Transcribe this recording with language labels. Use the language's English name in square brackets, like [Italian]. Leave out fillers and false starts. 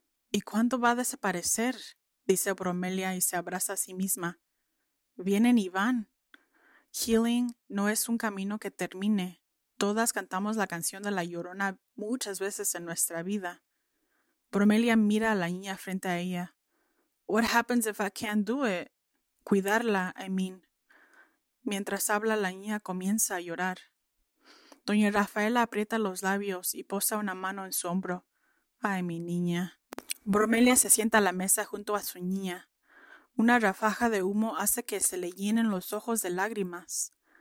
[Spanish] ¿Y cuándo va a desaparecer? Dice Bromelia y se abraza a sí misma. Vienen y van. Healing no es un camino que termine. Todas cantamos la canción de la Llorona muchas veces en nuestra vida. Bromelia mira a la niña frente a ella. [English] What happens if I can't do it? [Spanish] Cuidarla, [English] I mean. [Spanish] Mientras habla, la niña comienza a llorar. Doña Rafaela aprieta los labios y posa una mano en su hombro. Ay, mi niña. Bromelia se sienta a la mesa junto a su niña. Una rafaja de humo hace que se le llenen los ojos de lágrimas.